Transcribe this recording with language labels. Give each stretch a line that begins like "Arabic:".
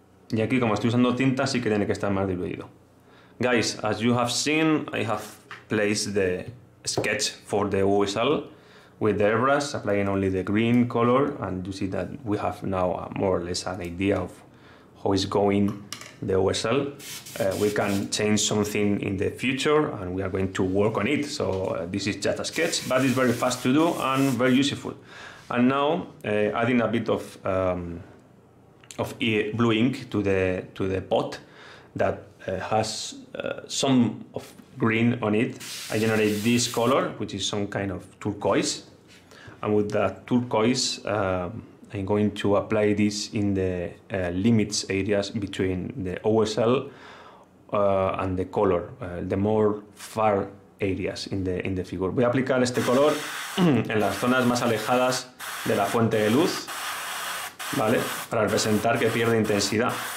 Spanish: Y aquí, como estoy usando tinta, sí que tiene que estar más diluido.
English: Guys, as you have seen, I have place the sketch for the whistle with the airbrush, applying only the green color, and you see that we have now a more or less an idea of how is going the whistle. We can change something in the future and we are going to work on it, so this is just a sketch, but it's very fast to do and very useful. And now adding a bit of blue ink to the pot that has some of green on it. I generate this color, which is some kind of turquoise, and with that turquoise I'm going to apply this in the limits areas between the OSL and the color, the more far areas in the figure.
Spanish: Voy a aplicar este color en las zonas más alejadas de la fuente de luz, ¿vale? Para representar que pierde intensidad.